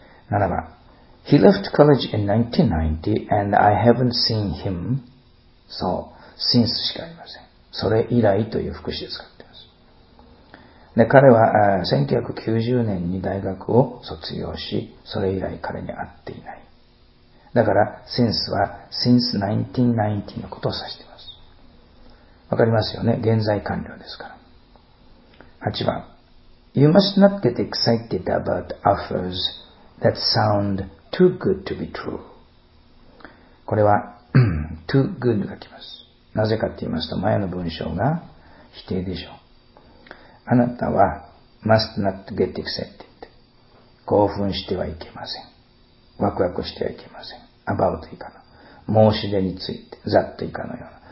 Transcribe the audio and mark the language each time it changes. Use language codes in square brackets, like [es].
[ja] 7番、 [en] he left college in 1990 and I haven't seen him. [ja] そう。since しかありません。それ以来という副詞で使っています。で彼は1990年に大学を卒業し、それ以来彼に会っていない。だから since は [en] since 1990 [ja] のことを指しています。わかりますよね。現在完了ですから。 8番、 [en] you must not get excited about offers that sound too good to be true。 [ja] これは [en] too good [ja] が来ます。なぜかと言いますと、前の文章が否定でしょう。あなたは [en] must not get excited。 [ja] 興奮してはいけません、ワクワクしてはいけません。 about 以下の申し出について、 that 以下のような。